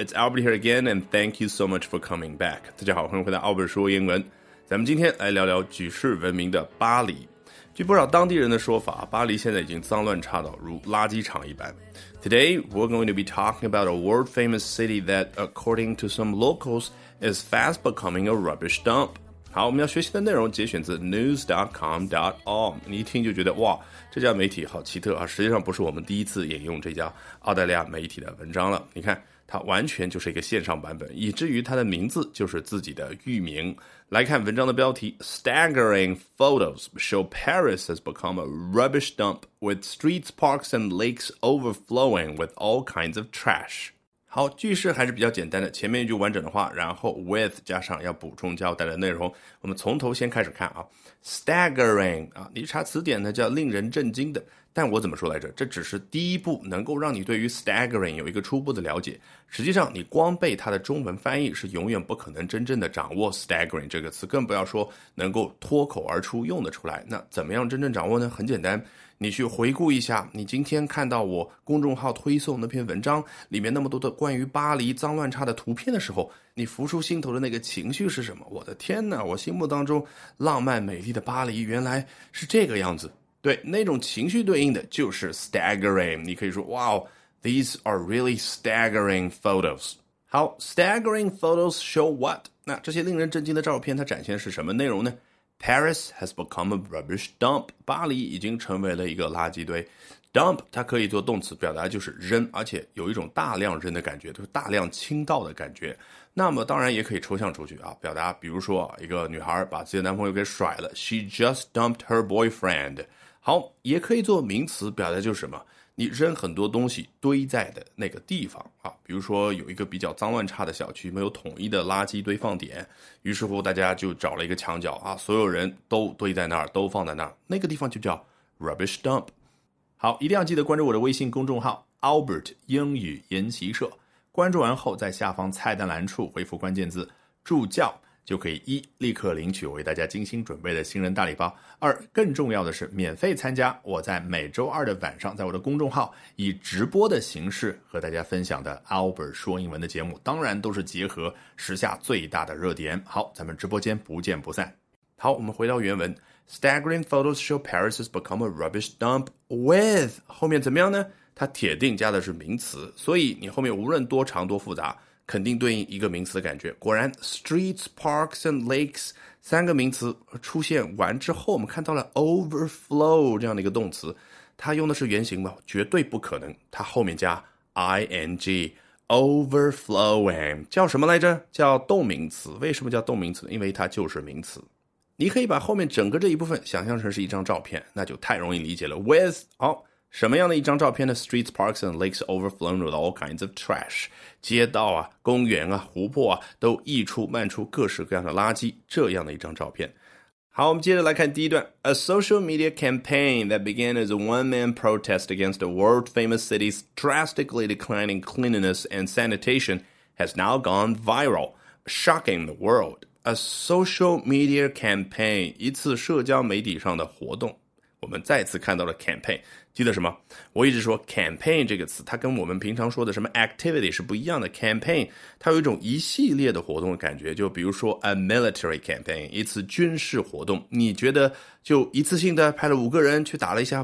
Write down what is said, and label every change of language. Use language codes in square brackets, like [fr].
[en] It's Albert here again, and thank you so much for coming back. [zh] 大家好，欢迎回到奥本说英文。咱们今天来聊聊举世闻名的巴黎。据不少当地人的说法，巴黎现在已经脏乱差到如垃圾场一般。 [en] Today, we're going to be talking about a world-famous city that, according to some locals, is fast becoming a rubbish dump. [zh] 好，我们要学习的内容节选自 news.com.org。你一听就觉得，哇，这家媒体好奇特啊！实际上不是我们第一次引用这家澳大利亚媒体的文章了。你看，它完全就是一个线上版本，以至于它的名字就是自己的域名。来看文章的标题 [en] Staggering photos show Paris has become a rubbish dump with streets, parks and lakes overflowing with all kinds of trash. [zh] 好，句式还是比较简单的，前面一句完整的话，然后 with 加上要补充交代的内容。我们从头先开始看啊， Staggering 啊，你查词典呢叫令人震惊的，但我怎么说来着，这只是第一步能够让你对于 staggering 有一个初步的了解。实际上你光背它的中文翻译是永远不可能真正的掌握 staggering 这个词，更不要说能够脱口而出用得出来。那怎么样真正掌握呢？很简单，你去回顾一下你今天看到我公众号推送那篇文章里面那么多的关于巴黎脏乱差的图片的时候，你浮出心头的那个情绪是什么？我的天哪，我心目当中浪漫美丽的巴黎原来是这个样子。对，那种情绪对应的就是 staggering。你可以说 [en] Wow, these are really staggering photos. 好， staggering photos show what? [zh] 那这些令人震惊的照片它展现的是什么内容呢？ [en] Paris has become a rubbish dump. [zh] 巴黎已经成为了一个垃圾堆。Dump 它可以做动词，表达就是扔，而且有一种大量扔的感觉，就是大量倾倒的感觉。那么当然也可以抽象出去啊，表达比如说一个女孩把自己的男朋友给甩了， [en] She just dumped her boyfriend。 [zh] 好，也可以做名词，表达就是什么，你扔很多东西堆在的那个地方啊，比如说有一个比较脏乱差的小区，没有统一的垃圾堆放点，于是乎大家就找了一个墙角啊，所有人都堆在那儿，都放在那儿，那个地方就叫 rubbish dump。好，一定要记得关注我的微信公众号 Albert 英语研习社，关注完后在下方菜单栏处回复关键字助教，就可以一立刻领取为大家精心准备的新人大礼包，二更重要的是免费参加我在每周二的晚上在我的公众号以直播的形式和大家分享的 Albert 说英文的节目，当然都是结合时下最大的热点。好，咱们直播间不见不散。好，我们回到原文， [en] Staggering photos show Paris has become a rubbish dump with [zh] 后面怎么样呢？它铁定加的是名词，所以你后面无论多长多复杂肯定对应一个名词的感觉。果然 streets, parks and lakes 三个名词出现完之后，我们看到了 overflow 这样的一个动词，它用的是原形吗？绝对不可能，它后面加 ing overflowing 叫什么来着？叫动名词。为什么叫动名词？因为它就是名词。你可以把后面整个这一部分想象成是一张照片，那就太容易理解了。 with 好，什么样的一张照片呢？ [en] Streets, parks and lakes overflowing with all kinds of trash. [zh] 街道啊，公园啊，湖泊啊，都溢出漫出各式各样的垃圾，这样的一张照片。好，我们接着来看第一段。 [en] A social media campaign that began as a one-man protest against a world-famous city's drastically declining cleanliness and sanitation has now gone viral, shocking the world. A social media campaign, [zh] 一次社交媒体上的活动。我们再次看到了 campaign， 记得什么？我一直说 campaign 这个词它跟我们平常说的什么 activity 是不一样的， campaign 它有一种一系列的活动的感觉，就比如说 a military campaign， 一次军事活动，你觉得就一次性的派了五个人去打了一下？